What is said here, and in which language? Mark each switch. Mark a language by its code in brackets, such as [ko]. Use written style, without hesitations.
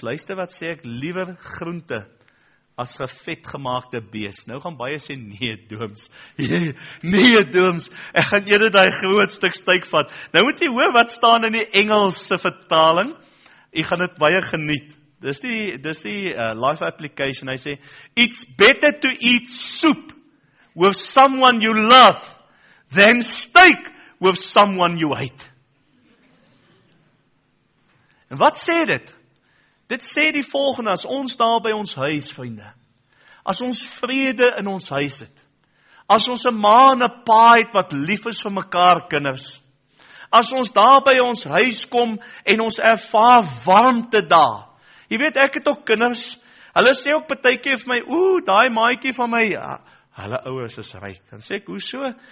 [af] Luister wat sê ek, liewer groente as gevet gemaakte bees. Nou gaan baie sê, nee dooms, nee dooms, ek gaan eerder daai groot stuk steak vat. Nou moet jy hoor wat staan in die Engelse vertaling, jy gaan dit baie geniet. Dis die life application, hy sê, [en] it's better to eat soup with someone you love than steak with someone you hate. [af] En wat sê dit? Dit sê die volgende, as ons daar by ons huis, vriende, as ons vrede in ons huis het, as ons 'n ma en 'n pa het wat lief is vir mekaar kinders, as ons daar by ons huis kom en ons ervaar warmte daar, jy weet, ek het ook kinders, hulle sê ook partykeer vir my, ooh, daai maatjie van my, ja, hulle ouers is ryk, dan sê ek, hoeso?